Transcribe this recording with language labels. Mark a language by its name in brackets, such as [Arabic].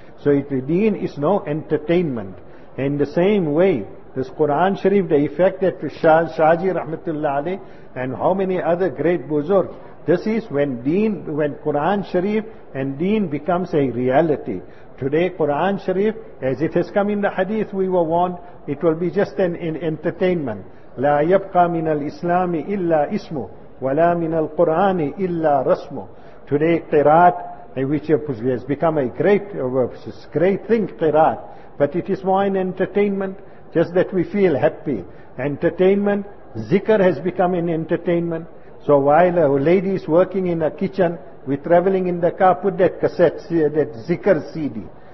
[English] So deen is no entertainment. In the same way, this Quran Sharif, the effect that Shahji Rahmatullah Ali and how many other great buzurg, this is when Quran Sharif and deen becomes a reality. Today Quran Sharif, as it has come in the hadith we were warned, it will be just an entertainment. [Arabic] لا يبقى من الإسلام إلا اسمه ولا من القرآن إلا رسمه. [English] Today قراءت, which has become a great thing, قراءت, but it is more an entertainment, just that we feel happy. Entertainment, zikr has become an entertainment. So while a lady is working in a kitchen, we're traveling in the car, put that cassette, that zikr CD.